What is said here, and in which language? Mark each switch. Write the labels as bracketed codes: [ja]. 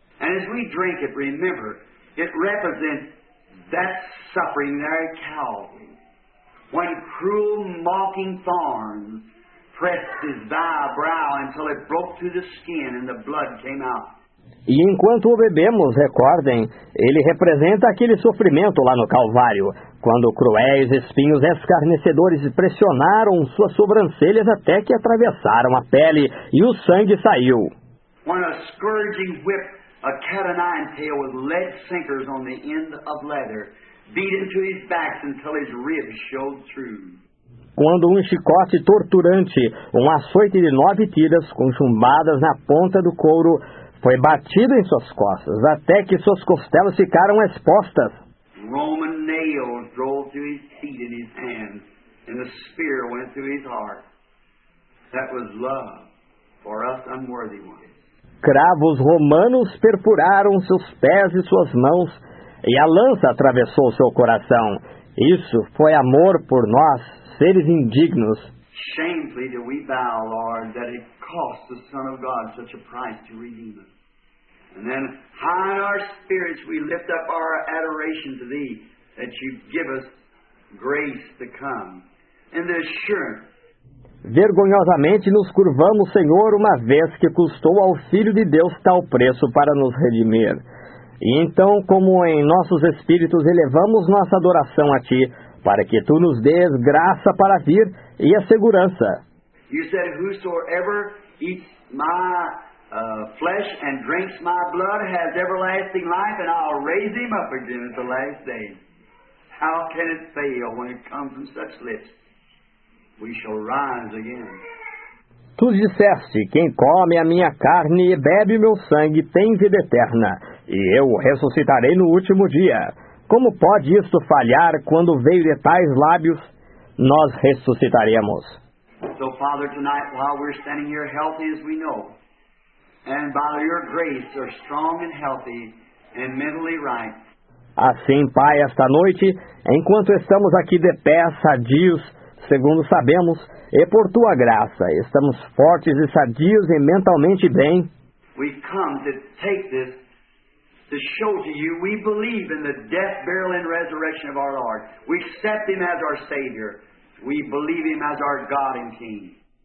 [en] And as we drink it, remember, it represents that suffering there at Calvary. When cruel mocking thorns pressed his thy brow until it broke through the skin and the blood came out. [pt] E enquanto o bebemos, recordem, ele representa aquele sofrimento lá no Calvário, quando cruéis espinhos escarnecedores pressionaram suas sobrancelhas até que atravessaram a pele e o sangue saiu. Quando um [en] scourging whip, a cat o nine tail with lead sinkers on the end of leather, beat into his back until his ribs showed through. [pt] Quando um chicote torturante, um açoite de nove tiras com chumbadas na ponta do couro, foi batido em suas costas, até que suas costelas ficaram expostas. [en] Roman nails drove through his feet and his hands, and a spear went through his heart. That was love for us unworthy ones. [pt] Cravos romanos perfuraram seus pés e suas mãos, e a lança atravessou seu coração. Isso foi amor por nós, seres indignos. [en] Shamefully do we bow, Lord, that it cost the Son of God such a price to redeem us. And then high in our spirits we lift up our adoration to thee, that you give us grace to come and the assurance. [pt] Vergonhosamente nos curvamos, Senhor, uma vez que custou ao Filho de Deus tal preço para nos redimir. E então, como em nossos espíritos elevamos nossa adoração a ti, para que tu nos dês graça para vir e a segurança. [en] You said, whosoever eats my flesh and drinks my blood has everlasting life, and I'll raise him up again at the last day. How can it fail when it comes from such lips? We shall rise again. [pt] Tu disseste, quem come a minha carne e bebe meu sangue tem vida eterna, e eu ressuscitarei no último dia. Como pode isto falhar quando veio de tais lábios? Nós ressuscitaremos. [en] So, Father, tonight, while we're standing here healthy as we know, and by your grace are strong and healthy and mentally right. [pt] Assim, Pai, esta noite, enquanto estamos aqui de pé, sadios, segundo sabemos, e por tua graça, estamos fortes e sadios e mentalmente bem. [en] We come to take this. To show to you, we believe in the death, burial, and resurrection of our Lord. We accept Him as our Savior. We believe Him as our God and King.